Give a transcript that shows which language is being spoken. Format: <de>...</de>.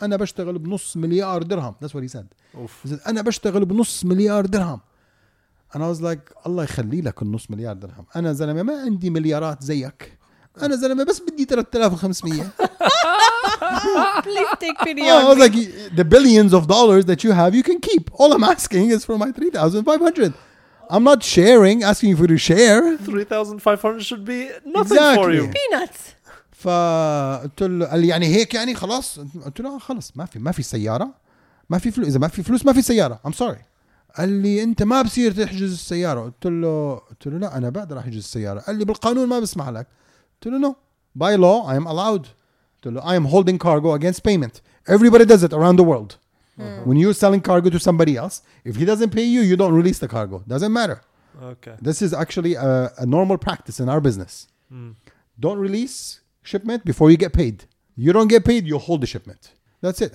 <ar>انا بشتغل بنص مليار درهم.</ar> <en>That's what he said. He said,</en> <ar>انا بشتغل بنص مليار درهم.</ar> <en>And I was like,</en> <ar>الله يخلي لك النص مليار درهم. انا زلمة ما عندي مليارات زيك. انا زلمة بس بدي 3,500.</ar> <en>Please take pity on me. I was like, the billions of dollars that you have, you can keep. All I'm asking is for my 3,500. I'm not sharing, asking you for to share. 3,500 should be nothing exactly. for you. Peanuts.</en> <ar>فقلت له قال لي يعني هيك يعني خلاص قلت له خلاص ما في سيارة ما في فلوس إذا ما في فلوس ما في سيارة</ar> <en>I'm sorry</en> <ar>قال لي أنت ما بصير تحجز السيارة قلت له لا أنا بقدر أحجز السيارة قال لي بالقانون ما بسمح لك قلت له</ar> <en>no by law I am allowed</en> <ar>قلت له</ar> <en>I am holding cargo against payment everybody does it around the world. Mm-hmm. When you're selling cargo to somebody else, if he doesn't pay you, you don't release the cargo. Doesn't matter. Okay. This is actually a normal practice in our business. Mm. Don't release shipment before you get paid. You don't get paid, you hold the shipment. That's it.</en>